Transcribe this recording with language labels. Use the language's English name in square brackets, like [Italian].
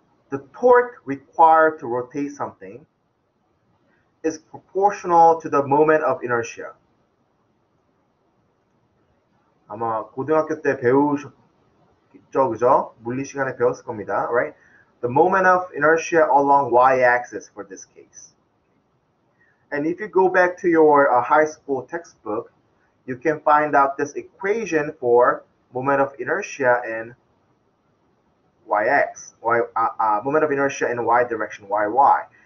[English] The torque required to rotate something is proportional to the moment of inertia. [Korean] 아마 고등학교 때 배우셨죠, 그죠? 물리 시간에 배웠을 겁니다, right? [English] The moment of inertia along y-axis for this case. And if you go back to your high school textbook, you can find out this equation for moment of inertia in moment of inertia in y direction, yy.